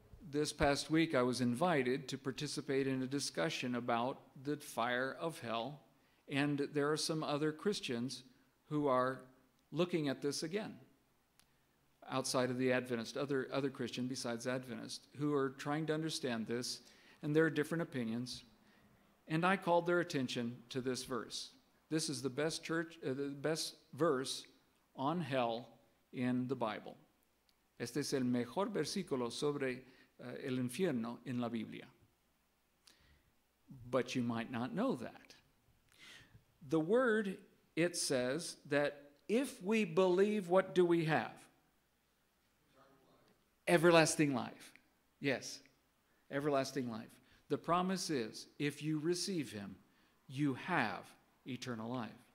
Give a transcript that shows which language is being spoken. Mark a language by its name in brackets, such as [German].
[English] This past week, I was invited to participate in a discussion about the fire of hell, and there are some other Christians who are looking at this again, outside of the Adventist, other Christian besides Adventist, who are trying to understand this, and there are different opinions, and I called their attention to this verse. This is the best church, the best verse on hell in the Bible. [Spanish] Este es el mejor versículo sobre el infierno en la Biblia. [English] But you might not know that. The word, it says that if we believe, what do we have? Everlasting life. Yes, everlasting life. The promise is, if you receive him, you have eternal life.